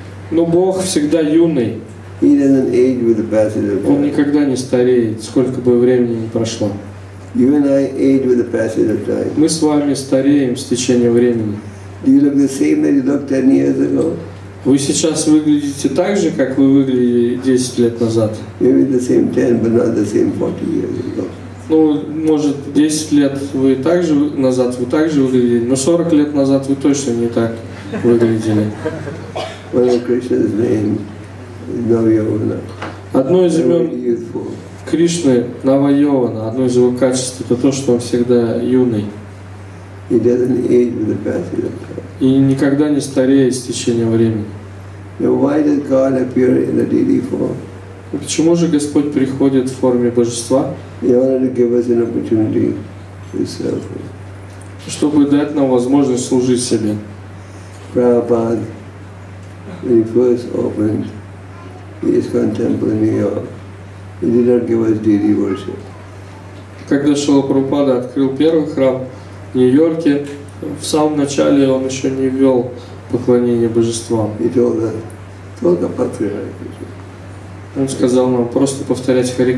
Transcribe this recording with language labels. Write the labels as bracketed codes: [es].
[ru] Но Бог всегда юный. Он никогда не стареет, сколько бы времени ни прошло. Мы с вами стареем с течением времени. Вы сейчас выглядите так же, как вы выглядели 10 лет назад. [en] Maybe the same 10, but not the same 40 years ago. [ru] Ну, может, 10 лет вы так же назад, вы так же выглядели, но 40 лет назад вы точно не так выглядели. [en] One of Krishna's name is Navayavana. [ru] Одно из имен Кришны Навайована, одно из его качеств, это то, что он всегда юный. [en] He doesn't age with the passage of time. [ru] И никогда не стареет с течением времени. [en] Now, why does God appear in a deity form? [ru] Почему же Господь приходит в форме Божества? [en] He wanted to give us an opportunity to serve Him. [ru] Чтобы дать нам возможность служить себе. [en] Prabhupada, when he first opened his temple in New York, he did not give us deity worship. [ru] Когда Шрила Прабхупада открыл первый храм в Нью-Йорке, в самом начале он еще не вел поклонение божествам. Он сказал нам просто повторять Харе